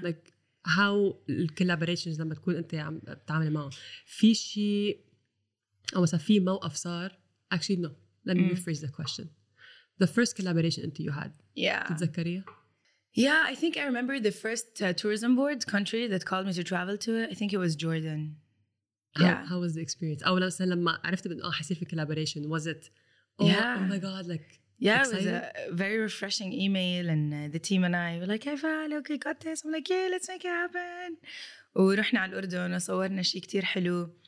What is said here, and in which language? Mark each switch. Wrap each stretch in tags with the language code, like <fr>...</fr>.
<en>Like how</en> <ar>collaborations لما تكون أنت عم بتعمل معه, في شيء أو مثلا في موقف صار,</ar> <en>actually no, let me rephrase the question. The first collaboration</en> <ar>أنت</ar> <en>you had, yeah.</en> <ar>تتذكريها?</ar> <en>Yeah, I think I remember the first tourism board country that called me to travel to it. I think it was Jordan. Yeah. How was the experience?</en> <ar>أو مثلا لما عرفت بأنه حصير في</ar> <en>collaboration, was it, oh, yeah. oh my God, like, yeah, excited? It was a very refreshing email and the team and I were like, Haifa, look, you got this. I'm like, yeah, let's make it happen.</en> <ar>ورحنا على الأردن وصورنا شيء كتير حلو.</ar>